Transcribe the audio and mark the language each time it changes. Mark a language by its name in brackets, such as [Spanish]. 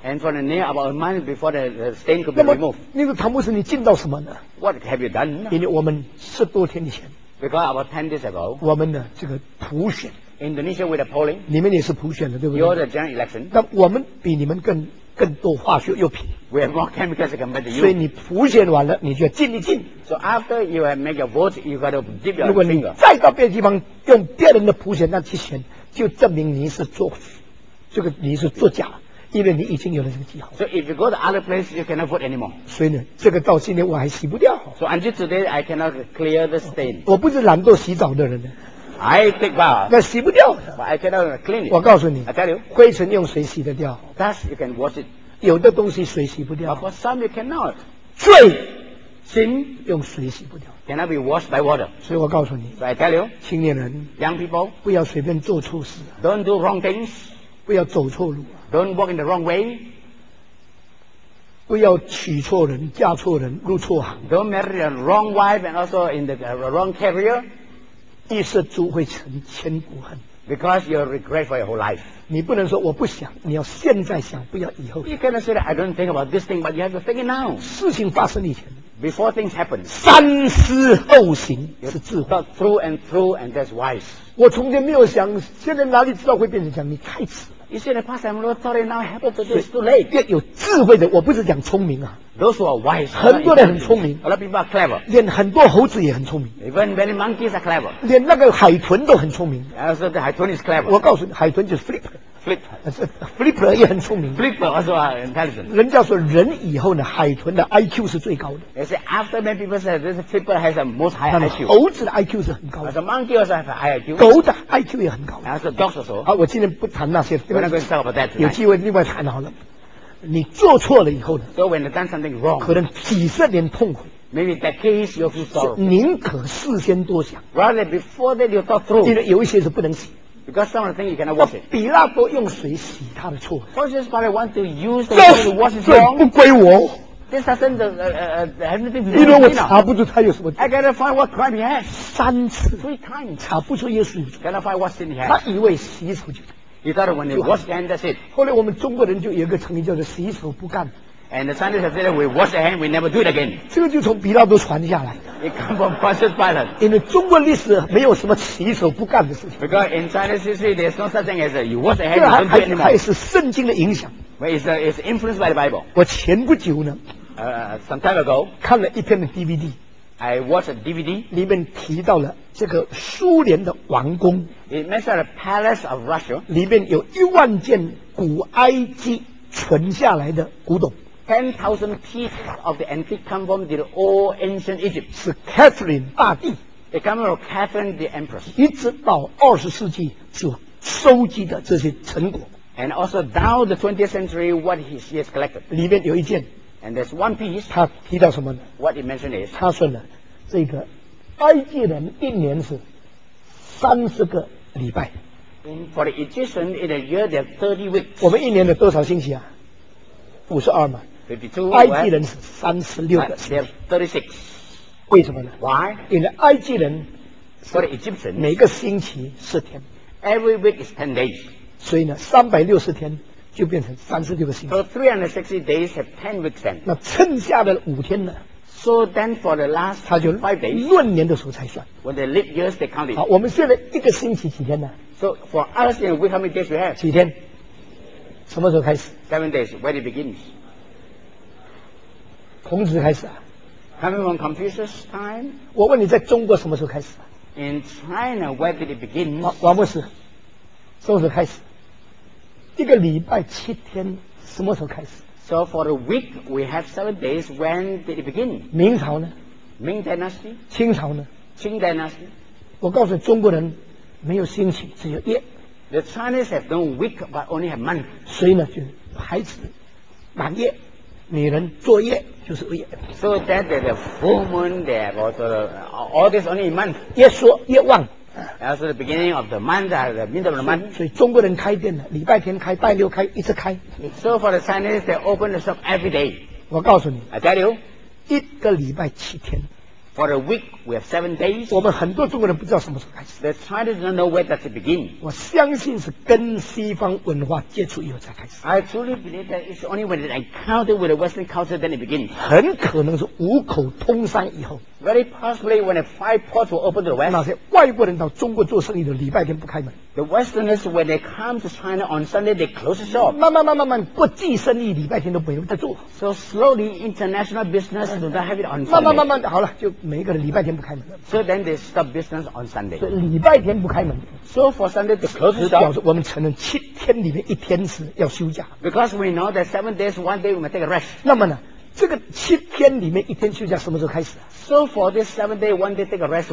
[English] And for the nail about a month before the stain could be removed [Chinese] 那么唐牧师你进到什么呢 [English] What have you done [Chinese] 因为我们10多天以前 [English] Because about 10 days ago [Chinese] 我们的这个普选 [English] Indonesia with a polling [Chinese] 你们也是普选的对不对 [English] You're the general election [Chinese] 那我们比你们更多化学用品 [English] We have more chemicals compared to you [Chinese] 所以你普选完了你就要进 [English] So after you have made your vote You got to dip your finger [Chinese] 如果你再到别的地方用别人的普选那去选就证明你是作这个你是作假因为你已经有了这个记号 [English] So if you go to other places You cannot vote anymore [Chinese] 所以呢这个到今天我还洗不掉 [English] So until today I cannot clear the stain [Chinese] 我不是懒惰洗澡的人 [English] I take bath. [Chinese] 那洗不掉。 [English] But I cannot clean it. [Chinese] 我告诉你。 [English] I tell you. [Chinese] 灰尘用水洗得掉。 [English] Dust you can wash it. [Chinese] 有的东西水洗不掉。 [English] But some you cannot. [Chinese] 罪。 [English] Sin. [Chinese] 用水洗不掉。 [English] Cannot be washed by water. [Chinese] 所以我告诉你。 [English] So I tell you. [Chinese] 青年人。 [English] Young people. [Chinese] 不要随便做错事。 [English] Don't do wrong things. [Chinese] 不要走错路。 [English] Don't walk in the wrong way. [Chinese] 不要娶错人，嫁错人，入错行。 [English] Don't marry the wrong wife and also in the wrong career. [Chinese] 一失足会成千古恨 [English] Because you regret for your whole life [Chinese] 你不能说我不想你要现在想不要以后 [English] You cannot say that I don't think about this thing But you have to think it now [Chinese] 事情发生以前 [English] Before things happen [Chinese] 三思后行是智慧 [English] Thought through and through and that's wise [Chinese] 我从前没有想现在哪里知道会变成这样你太迟了 [English] You see, the pastor, I'm not sorry now. I have to do it. It's too late. [Chinese] 要有智慧的，我不是讲聪明啊。 [English] Those who are wise. [Chinese] 很多人很聪明。 [English] A lot of people are clever. [Chinese] 连很多猴子也很聪明。 [English] Even many monkeys are clever. [Chinese] 连那个海豚都很聪明。 [English] I said the 海豚 is clever. [Chinese] 我告诉你，海豚就是 flip。Flipper 也很聪明。 [English] Flipper also are intelligent. [Chinese] 人家说人以后呢，海豚的 IQ 是最高的。 [English] They say after many people say this flipper has the most high IQ. [Chinese] 猴子的 IQ 是很高的。 [English] As a monkey also have high IQ. [Chinese] 狗的 IQ 也很高。 [English] As a dog also. [Chinese] 好，我今天不谈那些。 [English] We're not going to talk about that. [Chinese] 有机会另外谈好了。你做错了以后呢 [English] ？So when you done something wrong, [Chinese] 可能几十年痛苦。 [English] Maybe that case you feel sorrow. [Chinese] 宁可事先多想。 [English] Rather before that you thought through. [Chinese] 因为有一些是不能洗。 [English] Because some of the things you cannot wash it. [Chinese] 比拉多用水洗他的错。 [English] So this father want to use the water to wash his wrong. [Chinese] 这不归我。 [English] This doesn't anything. [Chinese] 因为我查不出他有什么。 [English] I cannot find what crime he has. [Chinese] 三次。 [English] Three times. [Chinese] 查不出耶稣。 [English] Cannot find what sin he has. [Chinese] 他以为洗手就。 [English] He thought when he washed hands, that's it. [Chinese] 后来我们中国人就有一个成语叫做洗手不干。 [English] And the Chinese have said that we wash our hands, we never do it again. [Chinese] 这个就从比拉多传下来。 [English] It comes from Pontius Pilate. [Chinese] 因为中国历史没有什么洗手不干的事情。 [English] Because in Chinese history, there's no such thing as you wash your hands, you don't do it anymore. [Chinese] 还是圣经的影响。 [English] Well, it's influenced by the Bible. [Chinese] 我前不久呢， [English] some time ago, [Chinese] 看了一篇的 DVD. [English] I watched a DVD. [Chinese] 里面提到了这个苏联的王宫。 [English] It mentioned the palace of Russia. [Chinese] 里面有一万件古埃及存下来的古董。 [English] 10,000 pieces of the antique come from the old ancient Egypt. [Chinese] 是 Catherine 大帝。 [English] It comes from Catherine the Empress. [Chinese] 一直到二十世纪所收集的这些成果。 [English] And also down the 20th century, what he has collected. [Chinese] 里面有一件。 [English] And there's one piece. [Chinese] 他提到什么呢 [English] ？What he mentioned is. [Chinese] 他说呢，这个埃及人一年是30个礼拜。 [English] For the Egyptian, in a year there are 30 weeks. [Chinese] 我们一年的多少星期啊？ 52嘛。 52。埃及人是36个。 [English] They have 36. [Chinese] 为什么呢 [English] ？Why? [Chinese] 因为埃及人 [English] ，For the Egyptian, [Chinese] 每个星期4天。 [English] Every week is 10 days. [Chinese] 所以呢，360天就变成36个星期。 [English] So 360 days have 10 weeks then. [Chinese] 那剩下的5天呢？ [English] So then for the last 5 days, [Chinese] 闰年的时候才算。 [English] When they leap years, they count it. [Chinese] 好，我们现在一个星期几天呢 [English] ？So for us in a week, how many days we have? [Chinese] 几天？什么时候开始 [English] ？7 days. When it begins? [Chinese] 孔子开始啊 [English] ？Coming from Confucius time. [Chinese] 我问你，在中国什么时候开始 [English] ？In China, when did it begin? [Chinese] 王牧师，什么时候开始？一个礼拜7天，什么时候开始？ [English] So for a week, we have 7 days. When did it begin? [Chinese] 明朝呢？ [English] Ming Dynasty. [Chinese] 清朝呢？ [English] Qing Dynasty. [Chinese] 我告诉中国人，没有星期，只有月。 [English] The Chinese have no week, but only have month. [Chinese] 所以呢，就是孩子满月，女人坐月就是月。 [English] So that the full moon, they have also all this only month. [Chinese] 越说越旺。 [English] That's the beginning of the month, the middle of the month. [Chinese] 所以中国人开店的，礼拜天开，拜六开，一直开。 [English] So for the Chinese, they open the shop every day. [Chinese] 我告诉你 [English] ，I tell you, [Chinese] 一个礼拜7天。 [English] For a week, we have 7 days. [Chinese] 我们很多中国人不知道什么时候开始。 [English] The Chinese don't know where does it begin. [Chinese] 我相信是跟西方文化接触以后才开始。 [English] I truly believe that it's only when it encounters with the Western culture then it begins. [Chinese] 很可能是五口通商以后。 [English] Very possibly when the 5 ports were opened to the West. [Chinese] 那些外国人到中国做生意的礼拜天不开门。 [English] The Westerners, when they come to China on Sunday, they close the shop. [Chinese] 慢慢，国际生意礼拜天都没有在做。 [English] So slowly, international business do not have it on Sunday. [Chinese] 慢慢，好了，就每个人礼拜天不开门。 [English] So then they stop business on Sunday. [Chinese] 所以礼拜天不开门。 [English] So for Sunday, they close the shop. [Chinese] 表示我们承认7天里面一天是要休假。 [English] Because we know that 7 days, one day we must take a rest. [Chinese] 那么呢？这个7天里面一天休假什么时候开始 [English] ？So for this 7 day, one day take a rest.